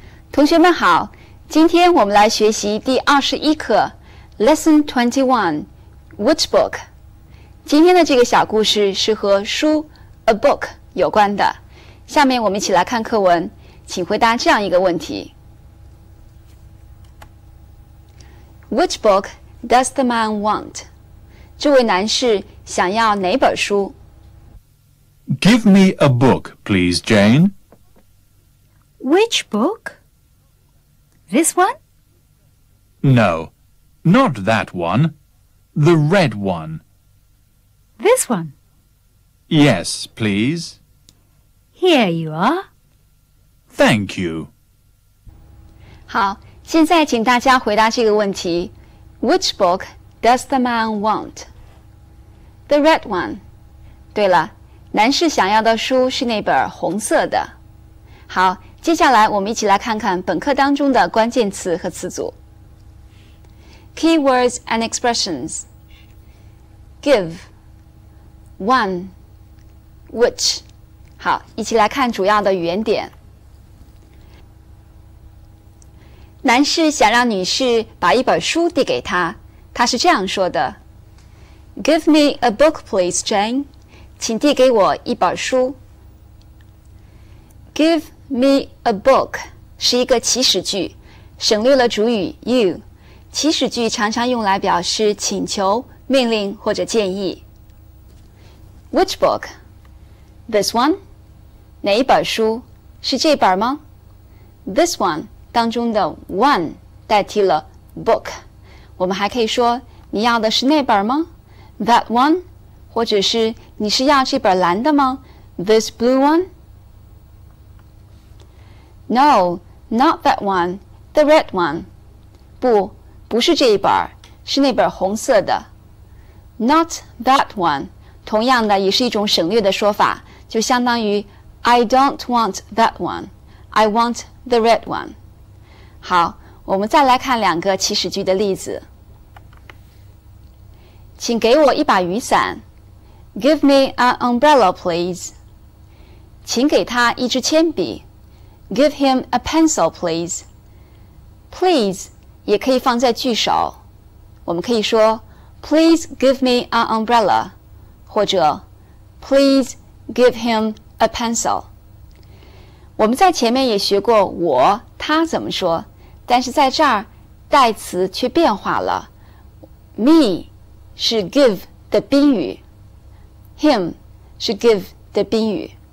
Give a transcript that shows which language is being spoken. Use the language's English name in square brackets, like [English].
[Chinese] 同学们好，今天我们来学习第21课 Lesson 21 Which Book。今天的这个小故事是和书 A Book 有关的。下面我们一起来看课文，请回答这样一个问题。 [English] Which book does the man want? [Chinese] 这位男士想要哪本书？ [English] Give me a book, please, Jane. Which book? This one? No, not that one. The red one. This one? Yes, please. Here you are. Thank you. [Chinese] 好，现在请大家回答这个问题。 [English] Which book does the man want? The red one. [Chinese] 对了，男士想要的书是那本红色的。好，接下来我们一起来看看本课当中的关键词和词组。 [English] Keywords and expressions. Give. One. Which. [Chinese] 好，一起来看主要的语言点。男士想让女士把一本书递给他，他是这样说的。 [English] Give me a book, please, Jane. [Chinese] 请递给我一本书。 [English] Give me a book [Chinese] 是一个祈使句，省略了主语 you。祈使句常常用来表示请求、命令或者建议。 [English] Which book? This one? [Chinese] 哪一本书？是这本吗？ This one 当中的 one 代替了 book。我们还可以说你要的是那本吗？ [English] That one? [Chinese] 或者是你是要这本蓝的吗？ [English] This blue one? No, not that one, the red one. [Chinese] 不，不是这一本，是那本红色的。 [English] Not that one, [Chinese] 同样的也是一种省略的说法，就相当于 [English] I don't want that one, I want the red one. [Chinese] 好，我们再来看两个祈使句的例子。请给我一把雨伞。 [English] Give me an umbrella, please. [Chinese] 请给他一支铅笔。 [English] Give him a pencil, please. [Chinese] Please 也可以放在句首。我们可以说 [English] Please give me an umbrella, [Chinese] 或者 [English] Please give him a pencil. [Chinese] 我们在前面也学过我、他怎么说，但是在这儿代词却变化了。 Me 是 give 的宾语， him 是 give 的宾语。